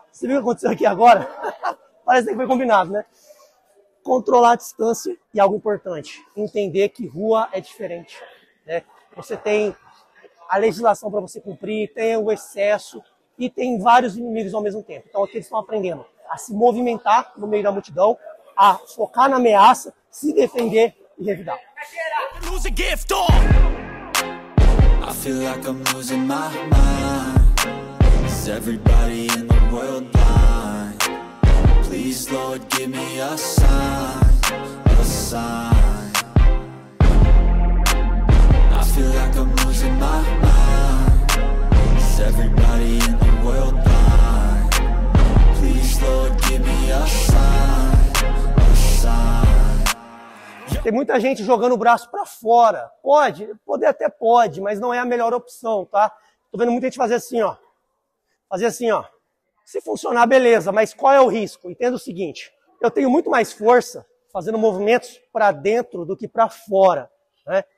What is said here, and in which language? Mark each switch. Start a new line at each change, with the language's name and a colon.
Portuguese: Você viu o que aconteceu aqui agora? Parece que foi combinado, né? Controlar a distância e algo importante, entender que rua é diferente, né? Você tem a legislação para você cumprir, tem o excesso e tem vários inimigos ao mesmo tempo. Então aqui eles estão aprendendo a se movimentar no meio da multidão, a focar na ameaça, se defender e revidar.
English: lose a gift or I feel like I'm losing my mind. Is everybody in the world blind? Please, Lord, give me a sign. A sign. I feel like I'm losing my mind. Is everybody in the world blind? Please, Lord, give me a sign. A sign.
Portuguese: Tem muita gente jogando o braço pra fora. Pode? Poder até pode, mas não é a melhor opção, tá? Tô vendo muita gente fazer assim, ó. Fazer assim, ó. Se funcionar, beleza, mas qual é o risco? Entenda o seguinte, eu tenho muito mais força fazendo movimentos para dentro do que para fora, né?